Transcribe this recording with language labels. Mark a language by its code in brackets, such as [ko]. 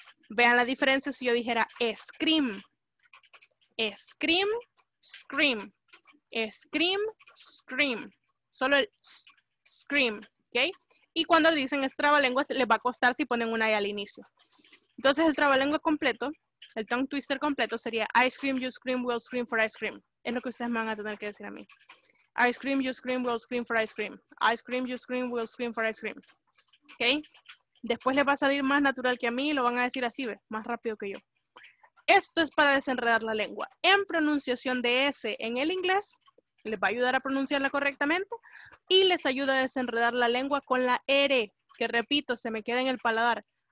[es] Vean la diferencia si yo dijera scream, scream, scream, scream, scream. Solo el scream, ¿ok? Y cuando dicen es trabalenguas, les va a costar si ponen una E al inicio. Entonces, el trabalengua completo, el tongue twister completo sería [en] ice cream, you scream, we'll scream for ice cream. [es] Es lo que ustedes me van a tener que decir a mí. [en] Ice cream, you scream, we'll scream for ice cream. Ice cream, you scream, we'll scream for ice cream. [es] ¿Ok? Después les va a salir más natural que a mí y lo van a decir así, ¿ve? Más rápido que yo. Esto es para desenredar la lengua. En pronunciación de S en el inglés, les va a ayudar a pronunciarla correctamente y les ayuda a desenredar la lengua con la R, que repito, se me queda en el paladar.